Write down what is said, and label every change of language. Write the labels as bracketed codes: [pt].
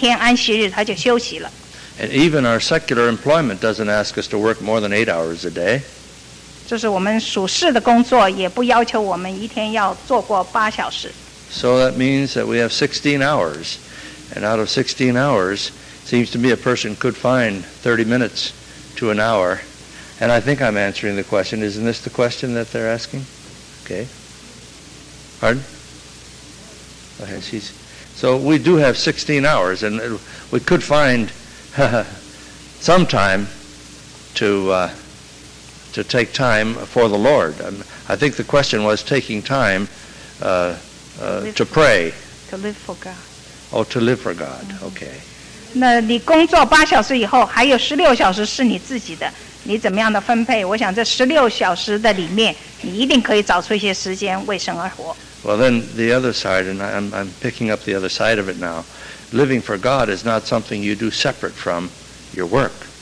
[zh] 我想神在创造人的时候，在我们身体里面就放了一些，让我们明白所有的需要。好像说人的身体经过了一些工作，就需要休息。像我们神他创造的时候，工作六天，第七天安息日，他就休息了。 [en] And even our secular employment doesn't ask us to work more than 8 hours a day. [zh] 就是我们属事的工作也不要求我们一天要做过八小时。 [en] So that means that we have 16 hours, and out of 16 hours, seems to me a person could find 30 minutes to an hour And I think I'm answering the question. Isn't this the question that they're asking? Okay. Pardon? Okay, she's. So we do have 16 hours, and we could find some time to take time for the Lord. I think the question was taking time to pray. To live for God. Oh, to live for God. Okay. [zh] 那你工作八小时以后，还有十六小时是你自己的，你怎么样的分配？我想这十六小时的里面，你一定可以找出一些时间为神而活。 [en] Well, then the other side, and I'm picking up the other side of it now. Living for God is not something you do separate from your work.